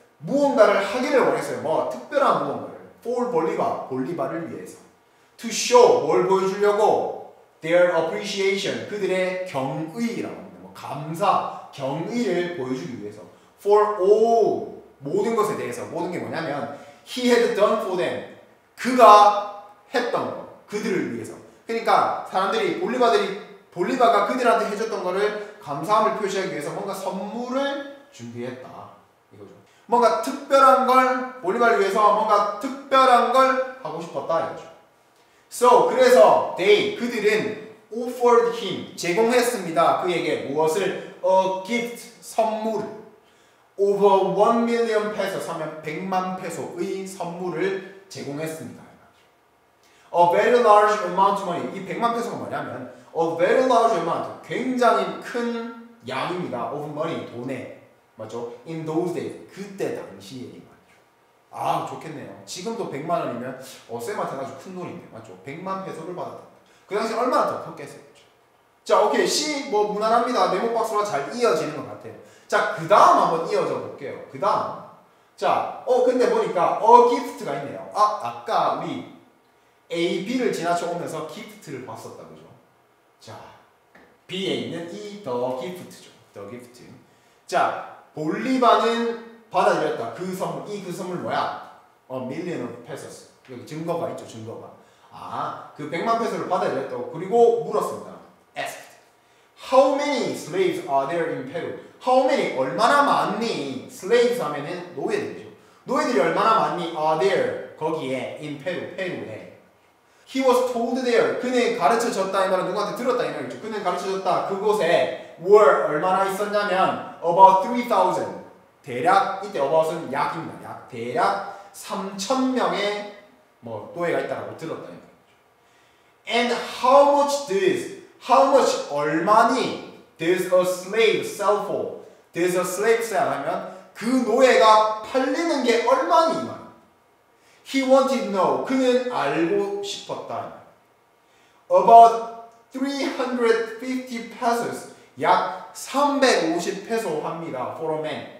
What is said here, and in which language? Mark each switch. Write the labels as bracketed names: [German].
[Korean] 무언가를 하기를 원했어요. 뭐 특별한 무언가를. For Bolivar, 볼리바를 위해서. [English] To show, [Korean] 뭘 보여주려고? Their appreciation, 그들의 경의라고 합니다. 뭐 감사, 경의를 보여주기 위해서. For all, 모든 것에 대해서. 모든 게 뭐냐면 [English] He had done for them. [Korean] 그가 했던 거. 그들을 위해서. 그러니까 사람들이 볼리바가 그들한테 해줬던 거를 감사함을 표시하기 위해서 뭔가 선물을 준비했다. 이거죠. 뭔가 특별한 걸 볼리바를 위해서 뭔가 특별한 걸 하고 싶었다. 이거죠. [English] So, [Korean] 그래서 [English] they, 그들은 offered him, 제공했습니다. [Korean] 그에게 무엇을? A gift, 선물. [English] Over 1 million pesos, [Korean] 하면 100만 peso의 선물을 제공했습니다. [English] A very large amount of money. 이 100만 peso가 뭐냐면 A very large amount, [Korean] 굉장히 큰 양입니다. Of money, 돈에. 맞죠? [English] In those days, [Korean] 그때 당시에 말이죠. 아, 좋겠네요. 지금도 100만 원이면 쌤한테 아주 큰 돈인데. 맞죠? 100만 peso를 받았다. 그 당시 얼마나 더 컸겠어요. 자, 오케이. C, 뭐 무난합니다. 네모 박스로 잘 이어지는 것 같아요. 자, 그 다음 한번 이어져 볼게요. 그 다음. 자, 근데 보니까 a gift가 있네요. 아, 아까 우리 A, B를 지나쳐 오면서 gift를 봤었다, 그죠? 자, B에 있는 이 the gift죠. The gift. 자, 볼리바는 받아들였다. 그 선물, 이 그 선물 뭐야? [English] A million of pesos. [Korean] 여기 증거가 있죠, 증거가. 아, 그 100만 페소를 받아들였다. 그리고 물었습니다. Asked. [English] How many slaves are there in Peru? How many? [Korean] 얼마나 많니? Slaves 하면은 노예들이죠. 노예들이 얼마나 많니? Are there? 거기에. In Peru. 페루에. [English] He was told there. [Korean] 그는 가르쳐줬다. 이 말은 누구한테 들었다. 이 말이죠. 그는 가르쳐줬다. 그곳에 were 얼마나 있었냐면 about 3,000. 대략 이때 about은 약입니다. 약. 대략 3,000명의 뭐 노예가 있다라고 들었다. 이 말이죠. [English] And how much does, how much [Korean] 얼마니 [English] does a slave sell for? [Korean] Does a slave sell 하면 그 노예가 팔리는 게 얼마니? [English] 이 말. He wanted to know. [Korean] 그는 알고 싶었다. [English] About 350 pesos. [Korean] 약 350 peso 합니다. [English] For a man.